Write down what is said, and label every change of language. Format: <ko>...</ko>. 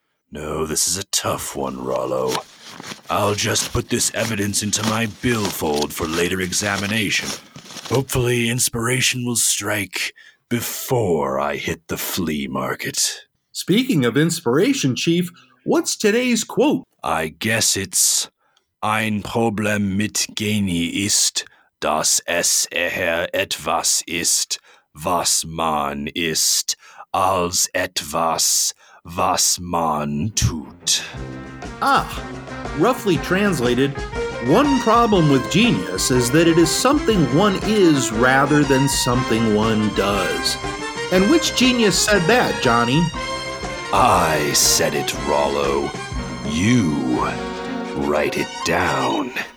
<en>No, this is a tough one, Rollo. I'll just put this evidence into my billfold for later examination. Hopefully inspiration will strike before I hit the flea market. Speaking of inspiration, Chief, what's today's quote? I guess it's</en> <de>ein Problem mit Genie ist, dass es eher etwas ist, was man ist, als etwas, was man tut.</de> <en>Ah, roughly translated, one problem with genius is that it is something one is rather than something one does. And which genius said that, Johnny? I said it, Rollo. You write it down.</en>